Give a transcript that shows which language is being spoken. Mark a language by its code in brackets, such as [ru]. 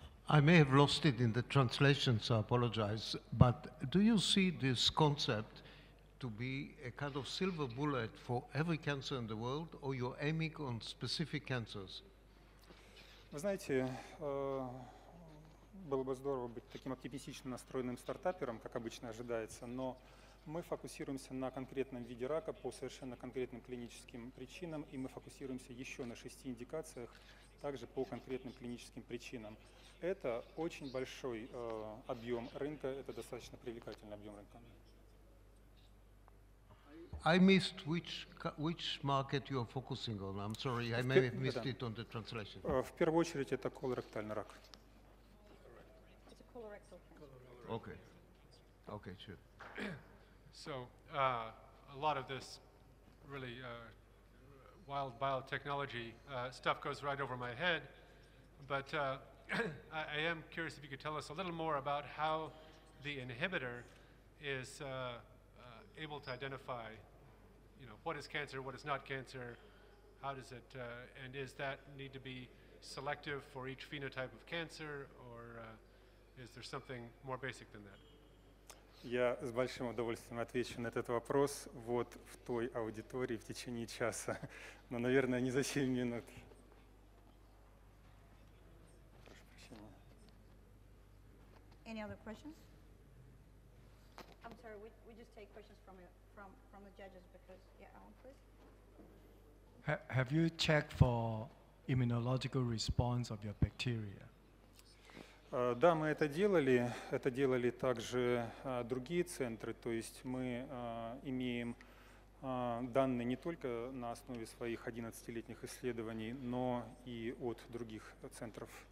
[en] I may have lost it in the translation, so I apologize, but do you see this concept to be a kind of silver bullet for every cancer in the world, or you're aiming on specific cancers? [ru] Вы знаете, было бы здорово быть таким оптимистично настроенным стартапером, как обычно ожидается, но мы фокусируемся на конкретном виде рака по совершенно конкретным клиническим причинам, и мы фокусируемся еще на 6 индикациях, также по конкретным клиническим причинам. Это очень большой объем рынка, это достаточно привлекательный объем рынка. [en] I missed which market you are focusing on. I'm sorry, I may have missed it on the translation. [ru] В первую очередь это колоректальный рак. [en] It's a colorectal cancer. Okay. Okay, sure. So, a lot of this really wild biotechnology stuff goes right over my head, but I am curious if you could tell us a little more about how the inhibitor is able to identify, you know, what is cancer, what is not cancer, how does it, and is that need to be selective for each phenotype of cancer, or is there something more basic than that? [ru] Я с большим удовольствием отвечу на этот вопрос вот в той аудитории в течение часа, но, наверное, не за 7 минут. Прошу прощения. [en] Any other questions? I'm sorry, we just take questions from the judges because, yeah, Alan, please. Have you checked for immunological response of your bacteria? [ru] Да, мы это делали. Это делали также другие центры. То есть мы имеем данные не только на основе своих 11-летних исследований, но и от других центров.